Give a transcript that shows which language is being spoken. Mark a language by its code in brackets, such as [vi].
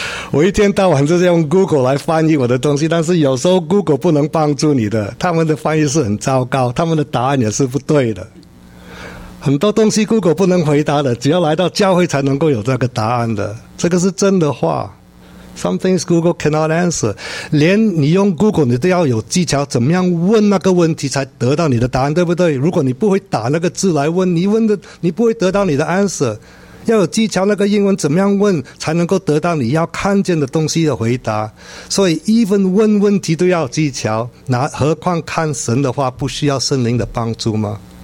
[zh] 我一天到晚就是用 Google 来翻译我的东西，但是有时候 Google 不能帮助你的，他们的翻译是很糟糕，他们的答案也是不对的。很多东西 Google 不能回答的，只要来到教会才能够有这个答案的，这个是真的话。 [en] Some things Google cannot answer. [zh] 连你用 Google 你都要有技巧，怎么样问那个问题才得到你的答案，对不对？如果你不会打那个字来问，你问的你不会得到你的 answer。要有技巧，那个英文怎么样问才能够得到你要看见的东西的回答。所以 even 问问题都要技巧，那何况看神的话，不需要圣灵的帮助吗？